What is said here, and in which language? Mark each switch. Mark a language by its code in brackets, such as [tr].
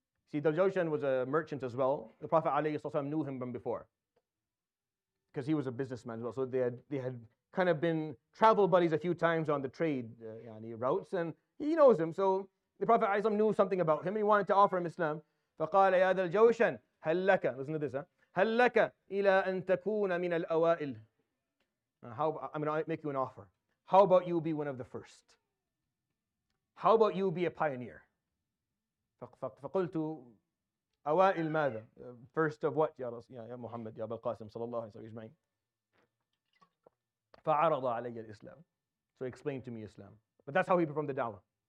[en] See, Dhul-Jawshan was a merchant as well. The Prophet alayhi salatu wasalam knew him from before, because he was a businessman as well. So they had kind of been travel buddies a few times on the trade routes, and he knows him. So the Prophet ﷺ knew something about him and he wanted to offer him Islam. [ar] فَقَالَ يَا ذَا الْجَوْشَنْ هَلْ لَكَ. [en] Listen to this, huh? [ar] هَلْ لَكَ إِلَىٰ أَن تَكُونَ مِنَ الْأَوَائِلِ. [en] I'm going to make you an offer. How about you be one of the first? How about you be a pioneer? [ar] فَقُلْتُ أَوَائِلْ مَاذَا. [en] First of what, [ar] يا محمد, يا أبا القاسم, صلى الله عليه وسلم. فَعَرَضَ عَلَيَّ الْإِسْلَامِ. [en] So he explained to me Islam. But that's how he performed the da'wah.